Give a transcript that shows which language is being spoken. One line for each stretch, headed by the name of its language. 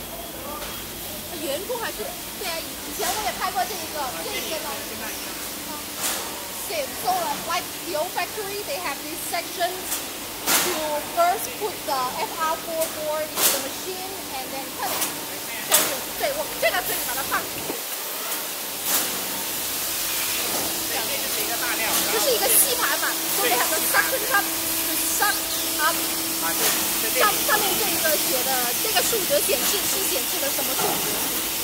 Chinese: 对，上面的扇子，现在就是工具这一块的一个。对，这也是用来钻孔的，那些钻孔。钻PCB嘛，现在。对对。钻机刀盘。开开这里，开一下。员工还是。对啊，以前我也拍过这一个，这一个呢，现在也收了。
English: Like the old factory, they have this section to first put the FR4 board into the machine and then cut it.
Chinese: 对，我这个这里把它放起来。这是一个大料，这是一个吸盘嘛，所以它的suction cup，上面这个写的这个数值显示是显示的什么数值？